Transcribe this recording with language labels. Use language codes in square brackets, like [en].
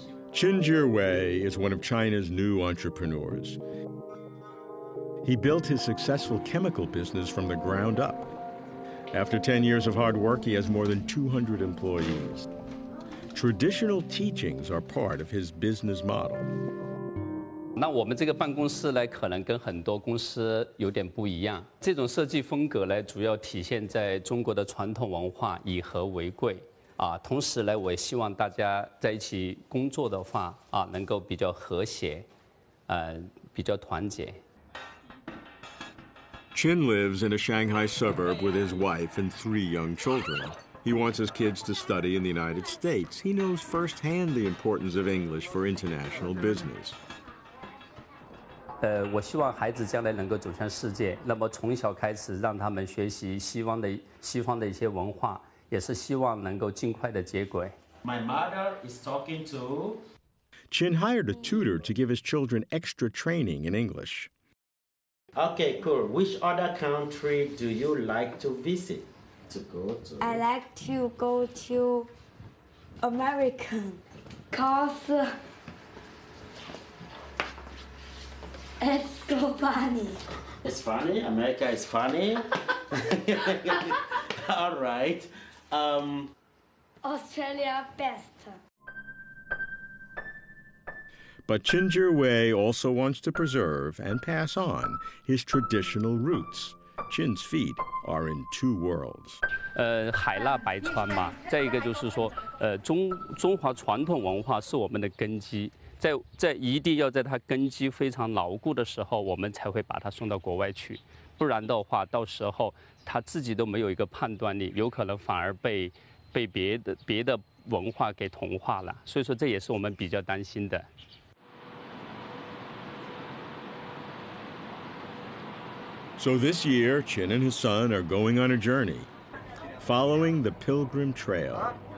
[en] Chen Jiwei is one of China's new entrepreneurs. He built his successful chemical business from the ground up. After 10 years of hard work, he has more than 200 employees. Traditional teachings are part of his business model. [zh] 那我们这个办公室呢，可能跟很多公司有点不一样。这种设计风格呢，主要体现在中国的传统文化，以和为贵。同时呢，我也希望大家在一起工作的话，能够比较和谐，比较团结。 [en] Chin lives in a Shanghai suburb with his wife and three young children. He wants his kids to study in the United States. He knows firsthand the importance of English for international business. [zh] 我希望孩子将来能够走向世界，那么从小开始让他们学习西方的一些文化。也是希望能够尽快的接轨。 [en] My mother is talking to. Chin hired a tutor to give his children extra training in English. Okay, cool. Which other country do you like to visit? To go to. I like to go to America, cause it's so funny. It's funny. America is funny. All right. Australia best. But Chen Jiwei also wants to preserve and pass on his traditional roots. Chen's feet are in two worlds. [zh] 海纳百川嘛，再一个就是说，中华传统文化是我们的根基，在一定要在它根基非常牢固的时候，我们才会把它送到国外去。不然的话，到时候他自己都没有一个判断力，有可能反而被别的文化给同化了。所以说，这也是我们比较担心的。 [en] So this year, Chin and his son are going on a journey, following the Pilgrim Trail.